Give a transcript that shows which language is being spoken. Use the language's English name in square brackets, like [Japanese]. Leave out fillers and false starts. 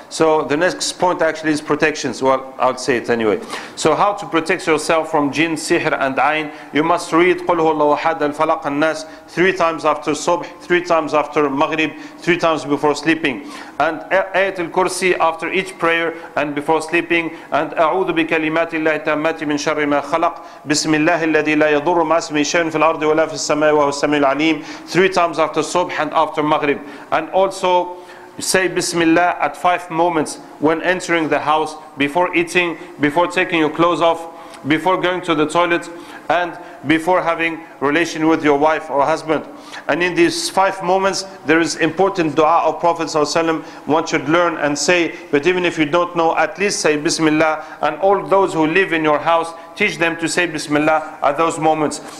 [English] So the next point actually is protections. Well, I'll say it anyway. So how to protect yourself from jinn, sihr and ayn? You must read [Arabic] قُلْ هُوَ اللَّهُ أَحَدَ الْفَلَقَ النَّاسِ [English] 3 times after Subh, 3 times after Maghrib, 3 times before sleeping. And Ayat al Kursi after each prayer and before sleeping. [Arabic] And أَعُوذُ بِكَلِمَاتِ اللَّهِ تَمَّاتِ مِنْ شَرِّ مَا خَلَقْ بِسْمِ اللَّهِ الَّذِي لَا يَضُرُّ مَا اسْمِهِ شَيْءٌ فِي الْأَرْضِ وَلَا فِي السَّمَاءِ وَهُوَ السَّمِيعُ الْعَلِيمُ [English] 3 times after Subh and after Maghrib. And also say Bismillah at 5 moments when entering the house, before eating, before taking your clothes off, before going to the toilet, and before having relation with your wife or husband. And in these 5 moments, there is important dua of Prophet ﷺ, one should learn and say, but even if you don't know, at least say Bismillah, and all those who live in your house, teach them to say Bismillah at those moments.